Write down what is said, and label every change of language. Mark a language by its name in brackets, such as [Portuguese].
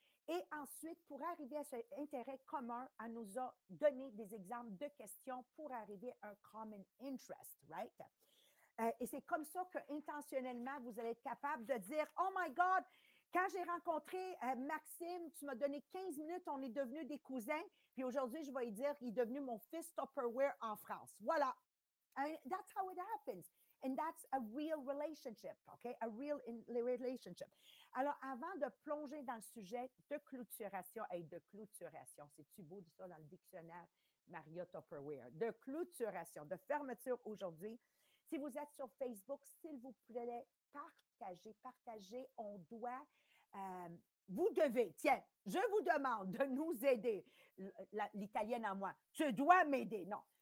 [French] Et ensuite, pour arriver à cet intérêt commun, elle nous a donné des exemples de questions pour arriver à un [English] common interest, right? [French] Et c'est comme ça que intentionnellement vous allez être capable de dire, [English] oh my God, [French] quand j'ai rencontré Maxime, tu m'as donné 15 minutes, on est devenus des cousins, puis aujourd'hui, je vais lui dire, il est devenu mon fils Tupperware en France. Voilà. [English] And that's how it happens. And that's a real relationship, okay? A real relationship. [French] Alors, avant de plonger dans le sujet de clôturation, et de clôturation, c'est-tu beau de ça dans le dictionnaire Maria Tupperware? De clôturation, de fermeture aujourd'hui. Si vous êtes sur Facebook, s'il vous plaît, partagez, on doit, vous devez, tiens, je vous demande de nous aider, l'italienne à moi, tu dois m'aider, non.